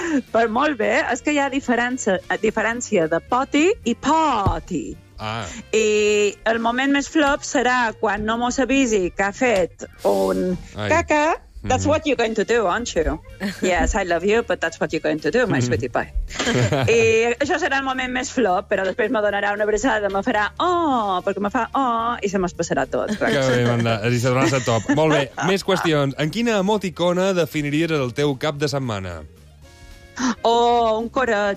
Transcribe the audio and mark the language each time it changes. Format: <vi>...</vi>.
<ca>Però molt bé, és que hi ha diferència de potty i potty. Ah. I el moment més flop serà quan no mos avisi que ha fet un caca.</ca> <en>That's what you're going to do, aren't you? Yes, I love you, but that's what you're going to do, my sweetie pie.</en> <ca>I això serà el moment més flop, però després me donarà una abraçada, me farà oh, perquè me fa oh, i se m'es passarà tot. Que bé, Amanda, i se donarà ser top. Molt bé, més qüestions. En quina emoticona definiries el teu cap de setmana? Oh, un coret.</ca>